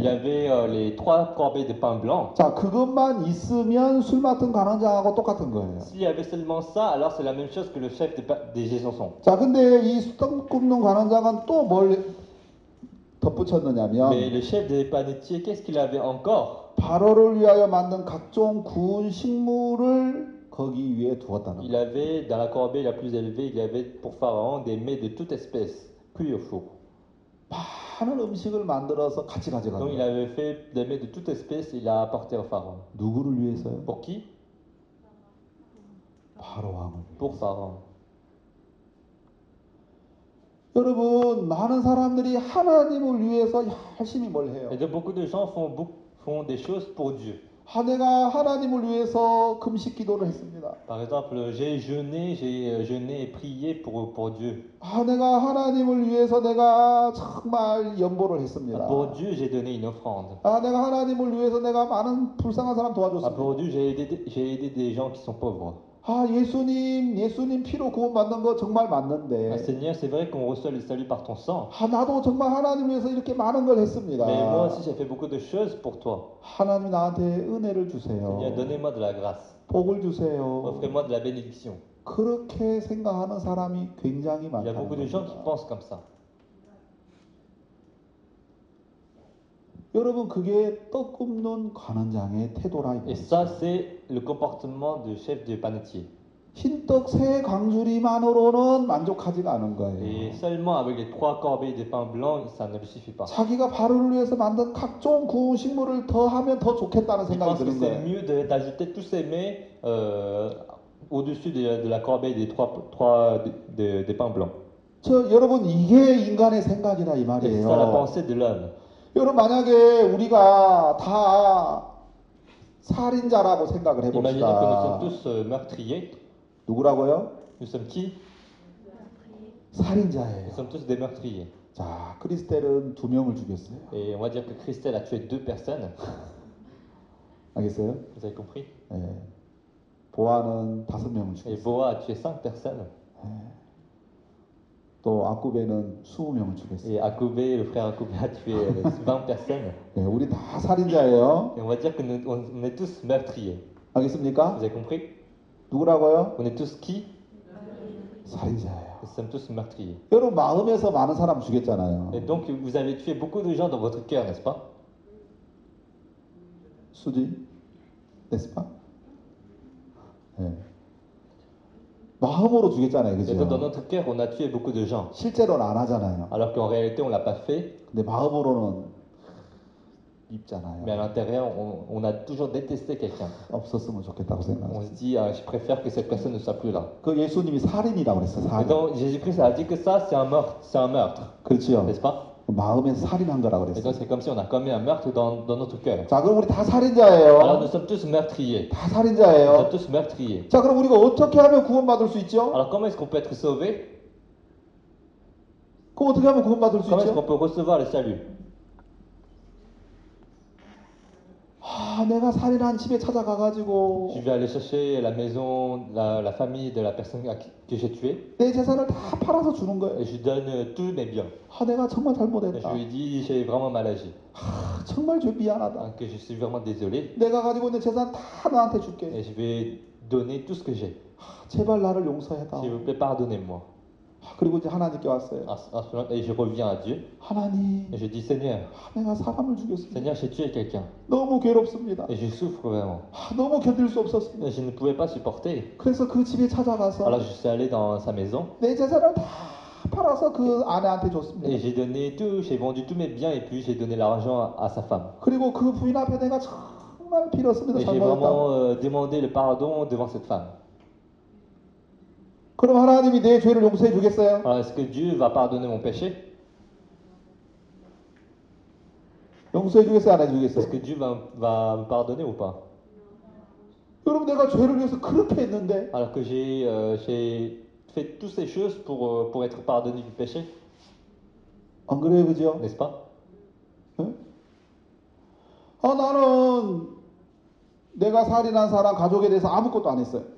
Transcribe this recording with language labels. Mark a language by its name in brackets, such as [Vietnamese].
[French] Il y avait les trois corbeilles de pain blanc. [Korean] 자, 그것만 있으면 술 맡은 관원장하고 똑같은 거예요. [French] S'il y avait seulement ça, alors c'est la même chose que le chef des chansons. [Korean] 자, 근데 이 떡금동 관원장은 또 뭘 덧붙였느냐면 [French] Mais le chef des panetiers, qu'est-ce qu'il avait encore? [Korean] 바로를 위하여 만든 각종 구운 식물을 거기 위에 두었다는 [French] Il avait dans la corbeille la plus élevée, il avait pour Pharaon des mets de toute espèce, cuits au four. [Korean] 많은 음식을 만들어서 같이 가져가는 [French] Donc il avait fait des mets de toute espèce, il a apporté au Pharaon. [Korean] 누구를 위해서요? [French] Pour qui? [Korean] 바로 왕을 [French] Pour Pharaon. [Korean] 여러분, 많은 사람들이 하나님을 위해서 열심히 뭘 해요? [French] Et donc beaucoup de gens font des choses pour Dieu. [Korean] 아, 내가 하나님을 위해서 금식 기도를 했습니다. [French] Par exemple, j'ai jeûné et prié pour Dieu. [Korean] 아, 내가 하나님을 위해서 내가 정말 연보를 했습니다. [French] Pour Dieu, j'ai donné une offrande. [Korean] 아, 내가 하나님을 위해서 내가 많은 불쌍한 사람 도와줬습니다. [French] Pour Dieu, j'ai aidé des gens qui sont pauvres. [Korean] 아, 예수님, 예수님 피로 구원받는 거 정말 맞는데. [French] Ah, Seigneur, c'est vrai qu'on reçoit le salut par ton sang. [Korean] 아, 나도 정말 하나님 위해서 이렇게 많은 걸 했습니다. [French] Mais moi aussi, j'ai fait beaucoup de choses pour toi. [Korean] 하나님 나한테 은혜를 주세요. [French] Seigneur, donnez-moi de la grâce. [Korean] 복을 주세요. [French] Offrez-moi de la bénédiction. [Korean] 그렇게 생각하는 사람이 굉장히 많다. [French] Il y a beaucoup de gens qui pensent comme ça. [Korean] 여러분 그게 떡 굽는 관원장의 태도라 이거. [French] Et ça c'est le comportement du chef de panetier. [Korean] 흰떡 세 광주리만으로는 만족하지가 않은 거예요. [French] Et seulement avec les trois corbeilles de pain blanc, ça ne suffit pas. [Korean] 자기가 발효를 위해서 만든 각종 구운 식물을 더 하면 더 좋겠다는 생각이 드는 거예요. [French] Il pense que c'est mieux d'ajouter tous ces mets au-dessus de la corbeille des trois pains blancs. [Korean] 여러분 이게 인간의 생각이다 이 말이에요. [French] C'est la pensée de l'homme. [Korean] 여러분 만약에 우리가 다 살인자라고 생각을 해봅시다. [French] Imaginez que nous sommes tous meurtriers. [Korean] 누구라고요? [French] Nous sommes qui? [Korean] 살인자예요. [French] Nous sommes tous des meurtriers. [Korean] 자, 크리스텔은 두 명을 죽였어요. [French] Et on va dire que Christelle a tué deux personnes. [Korean] 알겠어요? [French] Vous avez compris? [Korean] 예. 보아는 다섯 명을 죽였어요. [French] Et Boa a tué cinq personnes. [Korean] 또 아쿠베는 20명을 죽였어요. [French] 예, 아쿠베, le frère Aqoubé a tué 20 personnes. [Korean] 예, 우리 다 살인자예요. [French] On va dire que nous, on est tous meurtriers. [Korean] 알겠습니까? [French] Vous avez compris? [Korean] 누구라고요? [French] On est tous qui? [Korean] 살인자예요. [French] Nous sommes tous meurtriers. [Korean] 여러분 마음에서 많은 사람 죽였잖아요. [French] Et donc vous avez tué beaucoup de gens dans votre cœur, n'est-ce pas? 수지, n'est-ce pas? [Korean] 예. 마음으로 죽였잖아요, 그죠? 너는 어떻게? [French] On a tué beaucoup de gens. [Korean] 실제로는 안 하잖아요. [French] Alors qu'en réalité, on l'a pas fait. [Korean] 근데 마음으로는 입잖아요. [French] Mais à l'intérieur, on a toujours détesté quelqu'un. [Korean] 없었으면 좋겠다고 생각. [French] On se dit, ah, je préfère que cette personne ne soit plus là. [Korean] 그 예수님이 살인이라고 그랬어, 살인. [French] Et donc Jésus-Christ a dit que ça, c'est un meurtre, c'est un meurtre. [Korean] 그렇죠. [French] N'est-ce pas? [Korean] 마음에 살인한 거라고 그랬어. [French] Et donc c'est comme si on a commis un meurtre dans notre cœur. [Korean] 자, 그럼 우리 다 살인자예요. [French] Alors nous sommes tous meurtriers. [Korean] 다 살인자예요. [French] Nous sommes tous meurtriers. [Korean] 자, 그럼 우리가 어떻게 하면 구원받을 수 있죠? [French] Alors comment est-ce qu'on peut être sauvé? [Korean] 그럼 어떻게 하면 구원받을 수 [French] comment [Korean] 있죠? [French] Comment est-ce qu'on peut recevoir le salut? [Korean] 아, 내가 살인한 집에 찾아가 가지고. [French] Je vais aller chercher la maison, la famille de la personne que j'ai tué. [Korean] 내 재산을 다 팔아서 주는 거예요. [French] Je donne tous mes biens. [Korean] 아, 내가 정말 잘못했다. [French] Je lui dis, j'ai vraiment mal agi. [Korean] 아, 정말 죄 미안하다. [French] Que je suis vraiment désolé. [Korean] 내가 가지고 있는 재산 다 너한테 줄게. [French] Et je vais donner tout ce que j'ai. [Korean] 아, 제발 나를 용서해다. [French] S'il vous plaît, pardonnez-moi. [Korean] 그리고 이제 하나님께 왔어요. [French] À ce moment, je reviens à Dieu. [Korean] 하나님. [French] Je dis Seigneur. [Korean] 내가 사람을 죽였습니다. [French] Seigneur, j'ai tué quelqu'un. [Korean] 너무 괴롭습니다. [French] Et je souffre vraiment. [Korean] 너무 견딜 수 없었습니다. [French] Je ne pouvais pas supporter. [Korean] 그래서 그 집에 찾아가서. [French] Alors je suis allé dans sa maison. [Korean] 내 재산을 다 팔아서 그 아내한테 줬습니다. [French] Et j'ai donné tout, j'ai vendu tous mes biens et puis j'ai donné l'argent à sa femme. [Korean] 그리고 그 부인 앞에 내가 정말 빌었습니다. [French] Et j'ai vraiment demandé le pardon devant cette femme. [Korean] 그럼 하나님이 내 죄를 용서해 주겠어요? [French] Alors, est-ce que Dieu va pardonner mon péché? [Korean] 용서해 주겠어요, 안 해 주겠어요? [French] Est-ce que Dieu va me pardonner ou pas? [Korean] 여러분 내가 죄를 위해서 그렇게 했는데. [French] Alors que j'ai fait toutes ces choses pour être pardonné du péché. [Korean] 안 그래요, 그죠? [French] N'est-ce pas? [Korean] 응? 아, 나는 내가 살인한 사람 가족에 대해서 아무것도 안 했어요.